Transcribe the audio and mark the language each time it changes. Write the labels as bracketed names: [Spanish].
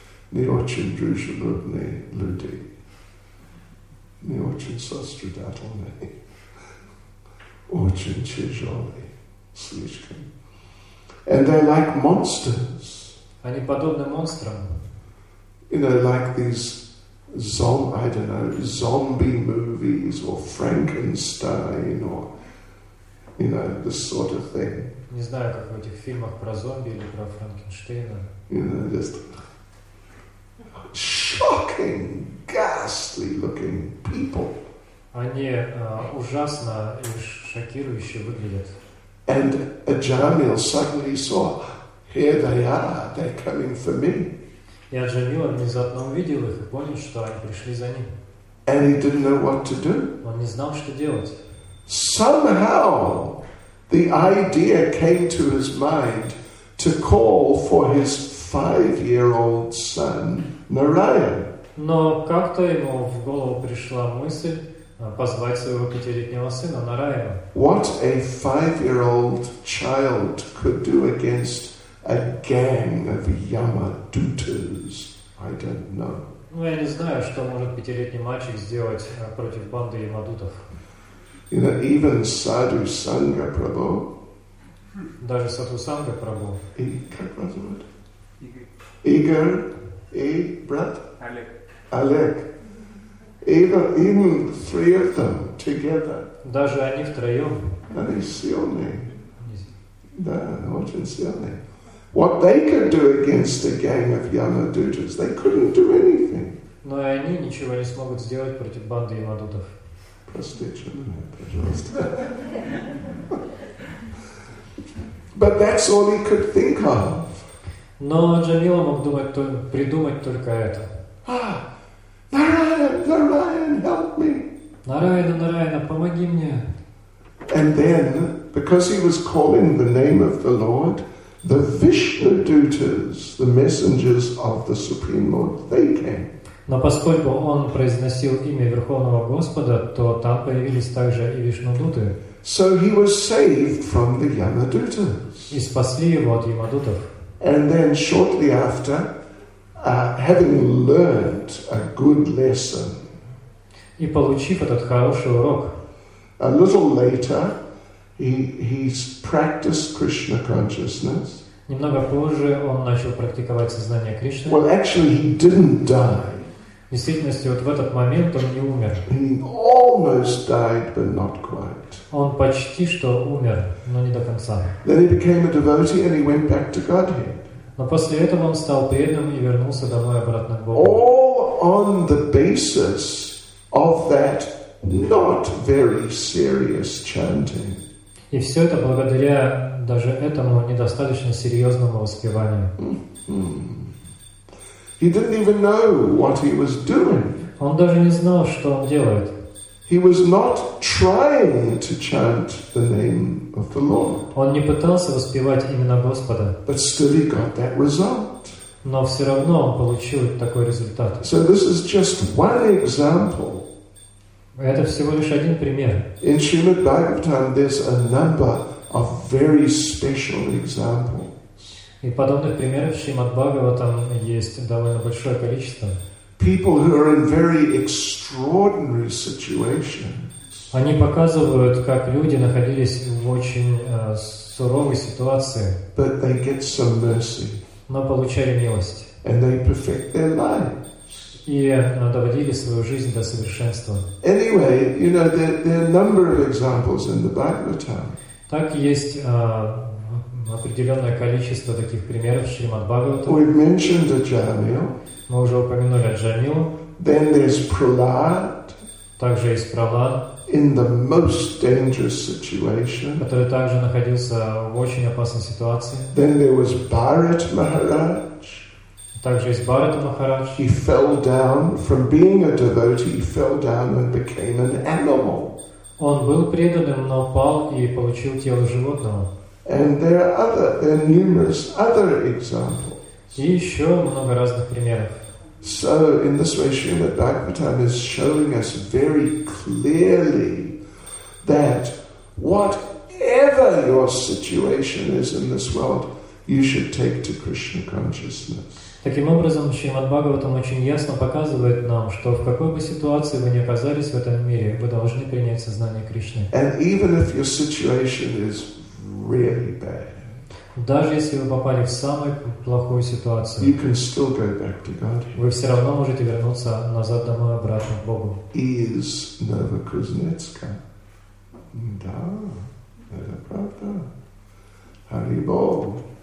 [Russian] Не очень дружелюбные люди. Не очень сострадательный, очень тяжелый, слишком. [English] And they're like monsters. [Russian] Они подобны монстрам. [English] You know, like these zombie movies or Frankenstein or, you know, this sort of thing. [Russian] Не знаю, как в этих фильмах про зомби или про Франкенштейна. [English] You know, just shocking. Ghastly looking people. [Russian] Они ужасно и шокирующе выглядят. [English] And Джамил suddenly saw, here they are, they're coming for me. [Russian] И Джамил внезапно увидел их и понял, что они пришли за ним. [English] And he didn't know what to do. [Russian] Он не знал, что делать. [English] Somehow the idea came to his mind to call for his 5-year-old son Narayan. [Russian] Но как-то ему в голову пришла мысль позвать своего пятилетнего сына на Раева. [English] What a five-year-old child could do against a gang of Yamadutas, I don't know. [Russian] Ну, я не знаю, что может пятилетний мальчик сделать против банды Ямадутов. [English] You know, even Sadhu Sangha Prabhu. [Russian] Даже Sadhu Sangha Prabhu. Как вас зовут? Игорь. И брат? Олег. [English] Олег. Even three of them together. [Russian] Даже они втроем. Они сильные. Да, очень сильные. [English] What they could do against a gang of Yamadutas, they couldn't do anything. [Russian] Но и они ничего не смогут сделать против банды Ямадутов. Простите меня, пожалуйста. [English] But that's all he could think of. [Russian] Но Джамила мог думать, придумать только это. Нараяна, Нараяна, помоги мне. [English] And then, because he was calling the name of the Lord, the Vishnudutas, the messengers of the Supreme Lord, they came. [Russian] Но поскольку он произносил имя Верховного Господа, то там появились также и Вишнудуты. [English] So he was saved from the Yamadutas. [Russian] И спасли его от Ямадутов. [English] And then shortly after, having learned a good lesson. [Russian] И получив этот хороший урок. [English] A little later, he practiced Krishna consciousness. [Russian] Немного позже он начал практиковать сознание Кришны. [English] Well, actually, he didn't die. [Russian] В действительности, вот в этот момент он не умер. [English] He almost died, but not quite. [Russian] Он почти что умер, но не до конца. [English] Then he became a devotee and he went back to Godhead. [Russian] Но после этого он стал преданным и вернулся домой обратно к Богу. [English] All on the basis of that not very serious chanting. [Russian] И все это благодаря даже этому недостаточно серьезному воспеванию. [English] He didn't even know what he was doing. [Russian] Он даже не знал, что он делает. [English] He was not trying to chant the name of the Lord. [Russian] Он не пытался воспевать имя Господа. [English] But still he got that result. [Russian] Но все равно он получил такой результат. [English] So this is just one example. [Russian] Это всего лишь один пример. [English] In Srimad Bhagavatam there's a number of very special examples. [Russian] И подобных примеров в Шримад-Бхагаватам есть довольно большое количество. [English] People who are in very extraordinary situations. [Russian] Они показывают, как люди находились в очень суровой ситуации. [English] But they get some mercy. [Russian] Но получали милость. [English] And they perfect their lives. [Russian] И доводили свою жизнь до совершенства. [English] Anyway, you know, there are a number of examples in the Bhagavatam. [Russian] Так есть определенное количество таких примеров в Шримад-Бхагаватам. [English] We've mentioned the Джамил. [Russian] Мы уже упомянули Джамилу. [English] Then there's Prahlad. [Russian] Также есть Prahlad. [English] In the most dangerous situation. [Russian] Который также находился в очень опасной ситуации. [English] Then there was Bharat Maharaj. [Russian] Также есть Bharat Maharaj. [English] He fell down from being a devotee. He fell down and became an animal. [Russian] Он был преданным, но упал и получил тело животного. [English] And there are numerous other examples. [Russian] И еще много разных примеров. [English] So in this way, Srimad Bhagavatam is showing us very clearly that whatever your situation is in this world, you should take to Krishna consciousness. [Russian] Таким образом, Шримад Бхагаватам очень ясно показывает нам, что в какой бы ситуации вы ни оказались в этом мире, вы должны принять сознание Кришны. [English] And even if your situation is really bad. [Russian] Даже если вы попали в самую плохую ситуацию, [English] you can still go back to God. [Russian] Вы все равно можете вернуться назад домой обратно к Богу. Из Новокузнецка. Да, это правда. Харибол.